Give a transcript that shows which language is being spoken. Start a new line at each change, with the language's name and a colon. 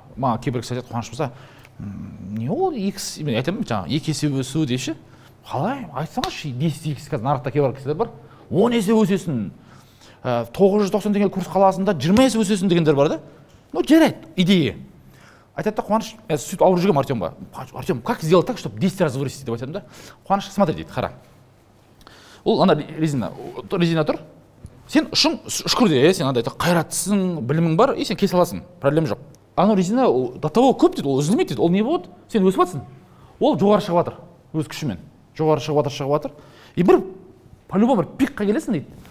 Kazakh: Маған кейбір кісі айтады, Қуаныш болса, не ол X, мен айтамын, жаңағы 2 есе өсу деші. Қалай айтсаңызшы, 10x қазір нарықта кейбір кісілер бар, 10 есе өсесің, 990 деген курс қаласында 20 есе өсесің дегендер бар да. Ну жарайды идея. Айтады да, Қуаныш, сөйтіп ауырып жүргенмін Артемға.
Russian: Артем, как сделать так, чтобы 10 раз вырасти
Kazakh: деп айтамын да. Қуаныш,
Russian: смотри
Kazakh: дейді, қара. Ол ана резина тұр. Сен шүкір де, сен андай қайраттысың, білімің бар и сен келісе аласың, проблема жоқ. Ана резина до того көп дейді, ол үзілмейді дейді, ол не болады? Сен өсіп жатсың. Ол жоғары шығып жатыр өз күшімен. Жоғары шығып жатыр. И бір по-любому бір пикқа келесің дейді.